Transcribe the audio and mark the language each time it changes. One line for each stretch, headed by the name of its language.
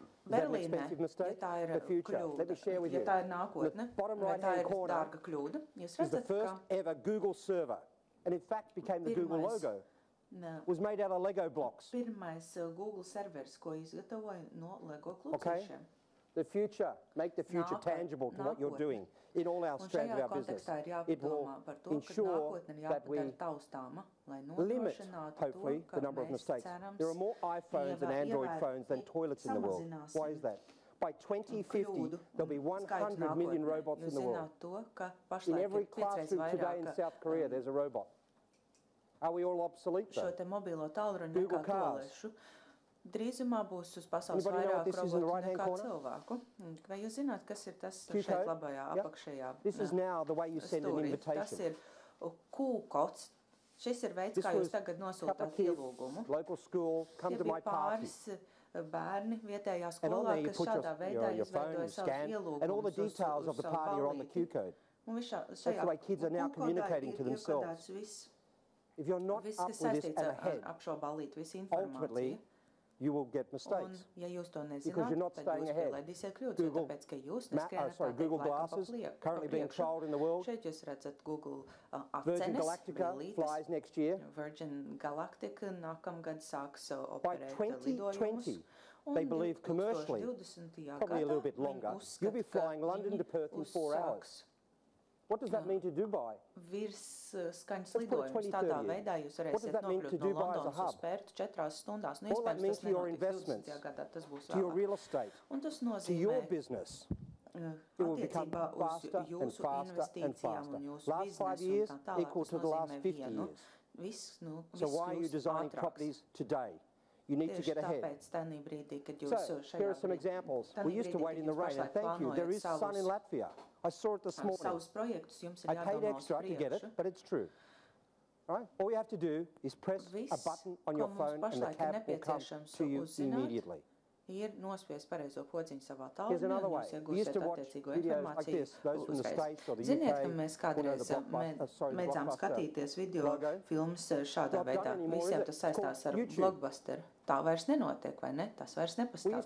Latvian: Berlīnē, ja tā ir kļūda, ja tā ir nākotne, vai tā ir dārga kļūda, jūs redzat, ka pirmais Google servers, ko izgatavoja no Lego klūcīšiem.
English: The future, make the future tangible to what you're doing in all our strategy of our business. It will ensure that we limit, hopefully, the number of mistakes. There are more iPhones and Android phones than toilets in the world. Why is that? By 2050, there'll be 100 million robots in the world. In every classroom today in South Korea, there's a robot. Are we all obsolete, though? Google cars.
Latvian: Drīzumā būs uz pasaules vairāk robotu nekā cilvēku. Vai jūs zināt, kas ir tas šeit labajā apakšējā stūrī? Tas ir kūkots. Šis ir veids, kā jūs tagad nosūtāt ielūgumu. Ja bija pāris bērni vietējā skolā, kas šādā veidā izveidoja savu ielūgumu uz savu ballīti. Un šajā kūkotā ir iekodāts viss, ap šo ballīti, visa informācija.
English: You will get mistakes.
Latvian: Un, ja jūs to nezināt,
English: because you're not staying ahead. Google glasses currently being trialed in the world.
Latvian: Šeit jūs redzat Google Virgin Galactica brilītes.
English: Flies next year.
Latvian: Virgin Galactica nākamgad sāks operēt
English: By 2020, they believe commercially, probably a little bit longer, you'll be flying London to Perth in 4 hours. What does that mean to Dubai?
Latvian: Virs skaņas lidojums tādā veidā jūs varēsiet nokļūt no Londonas uz Pērtu 4 stundās. Nu, iespējams, tas nenotiks 20. Gadā, tas būs vēlāk. Un tas nozīmē attiecībā uz jūsu investīcijām un jūsu biznesu un tā tālāk. Tas nozīmē vienu. Viss kļūst ātrāks.
English: You need to get ahead. So, here are some examples. We used to wait in the rain, and thank you. There is sun in Latvia. I saw it this morning. I paid extra to get it, but it's true. All you have to do is press a button on your phone, and the cab will come to you immediately.
Latvian: Ir nospiest pareizo podziņu savā tālrunī, un jūs iegūsiet attiecīgo informāciju uzreiz. Ziniet, ka mēs kādreiz mēdzām skatīties video filmas šādā veidā. Visiem tas saistās ar Blockbuster. Tā vairs nenotiek, vai ne? Tas vairs nepastāv.